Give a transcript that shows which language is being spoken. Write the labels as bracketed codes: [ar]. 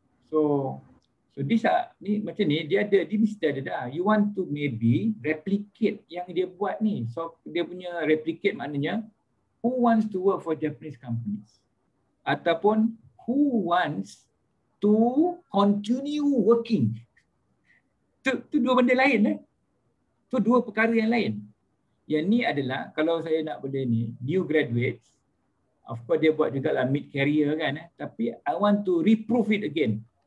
[en] So this [ms] ni macam ni dia ada, dia mesti ada dah. [en] You want to maybe replicate [ms] yang dia buat ni. [en] So [ms] dia punya [en] replicate [ms] maknanya [en] who wants to work for Japanese companies [ms] ataupun [en] who wants to continue working. [ms] Tu dua benda lain eh. Tu dua perkara yang lain. Yang ni adalah kalau saya nak benda ni [en] new graduates. Of course [ms] dia buat juga lah [en] mid career [ms] kan eh? Tapi [en] I want to reprove it again.